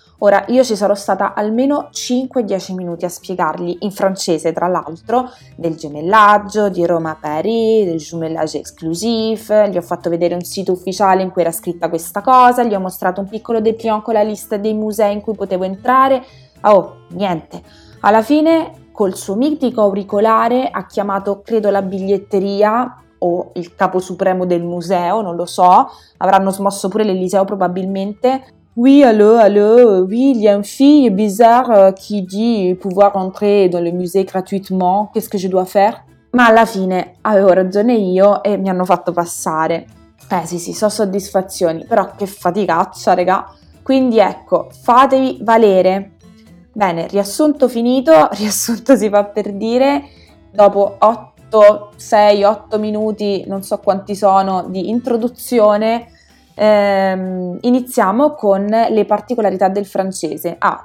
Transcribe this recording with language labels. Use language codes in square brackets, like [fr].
[it] Ora, io ci sarò stata almeno 5-10 minuti a spiegargli, in francese tra l'altro, del gemellaggio, di Roma a Paris, del [fr] jumellage exclusif, [it] gli ho fatto vedere un sito ufficiale in cui era scritta questa cosa, gli ho mostrato un piccolo dépliant con la lista dei musei in cui potevo entrare. Oh, niente. Alla fine, col suo mitico auricolare, ha chiamato, credo, la biglietteria o il capo supremo del museo, non lo so, avranno smosso pure l'Eliseo probabilmente. [fr] Oui, allô, il y a une fille bizarre qui dit pouvoir entrer dans le musée gratuitement, qu'est-ce que je dois faire? [it] Ma alla fine avevo ragione io e mi hanno fatto passare. Sì, so soddisfazioni, però che faticaccia, regà. Quindi ecco, fatevi valere. Bene, riassunto finito, riassunto si fa per dire, dopo 8 minuti, non so quanti sono, di introduzione, iniziamo con le particolarità del francese.